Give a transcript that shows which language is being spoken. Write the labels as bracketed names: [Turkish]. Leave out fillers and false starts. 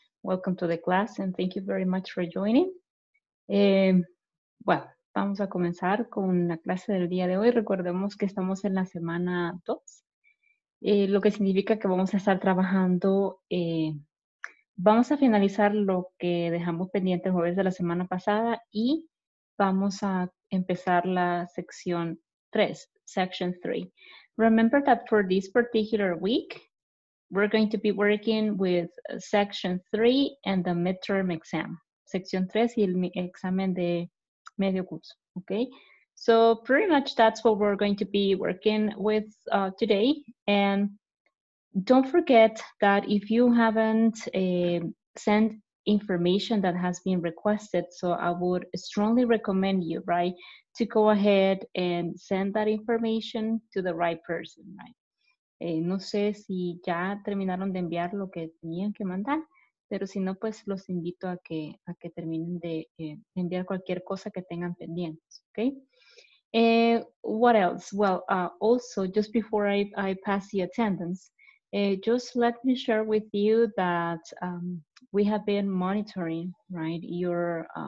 [English] Welcome to the class and thank you very much for joining. [Spanish] Bueno, vamos a comenzar con la clase del día de hoy. Recordemos que estamos en la semana 2, lo que significa que vamos a estar trabajando, vamos a finalizar lo que dejamos pendiente el jueves de la semana pasada y vamos a empezar la sección 3, [English] section 3. Remember that for this particular week, we're going to be working with section 3 and the midterm exam. [Spanish] Sección 3 y el examen de medio curso, okay? [English] So pretty much that's what we're going to be working with today. And don't forget that if you haven't sent information that has been requested, so I would strongly recommend you, right, to go ahead and send that information to the right person, right? [Spanish] No sé si ya terminaron de enviar lo que tenían que mandar, pero si no, pues los invito a que terminen de enviar cualquier cosa que tengan pendientes, okay? [English] What else? Well, also, just before I pass the attendance, just let me share with you that we have been monitoring, right, your,